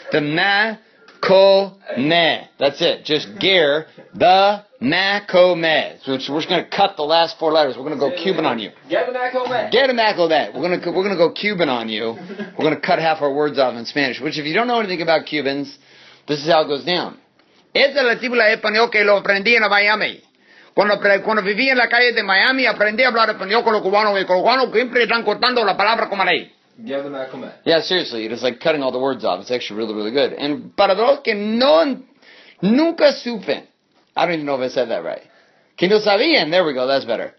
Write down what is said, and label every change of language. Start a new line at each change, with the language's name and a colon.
English: The Ma-Ko-Me. That's it. Just Gare. The Ma-Ko-Me. So we're just going to cut the last four letters. We're going to go Cuban on you. Get a Ma-Ko-Me. We're going to go Cuban on you. We're going to cut half our words off in Spanish, which if you don't know anything about Cubans, this is how it goes down.
Spanish: Esa es la tibula español que lo aprendí en Miami. Cuando viví en la calle de Miami, aprendí a hablar español con los cubanos, y con los cubanos siempre están cortando la palabra como ley.
English: Yeah, seriously, it's like cutting all the words off. It's actually really, really good. And
Spanish: para los que no, nunca supen,
English: I don't even know if I said that right.
Spanish: Que no sabían,
English: there we go, that's better.